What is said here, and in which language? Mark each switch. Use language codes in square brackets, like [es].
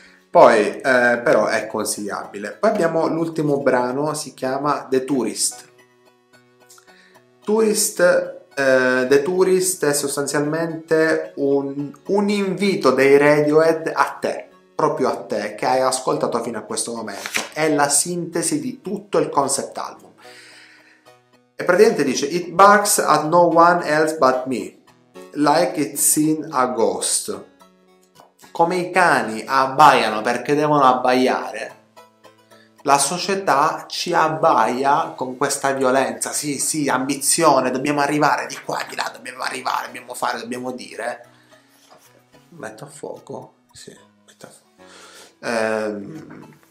[it] Poi, però, è consigliabile. Poi abbiamo l'ultimo brano, si chiama The Tourist. The Tourist è sostanzialmente un invito dei Radiohead a te, proprio a te, che hai ascoltato fino a questo momento. È la sintesi di tutto il concept album. E praticamente dice: [en] It barks at no one else but me, like it's in a ghost. [it] Come i cani abbaiano perché devono abbaiare, la società ci abbaia con questa violenza, sì, ambizione, dobbiamo arrivare di qua, di là, dobbiamo arrivare, dobbiamo fare, dobbiamo dire. Metto a fuoco, sì, metto a fuoco.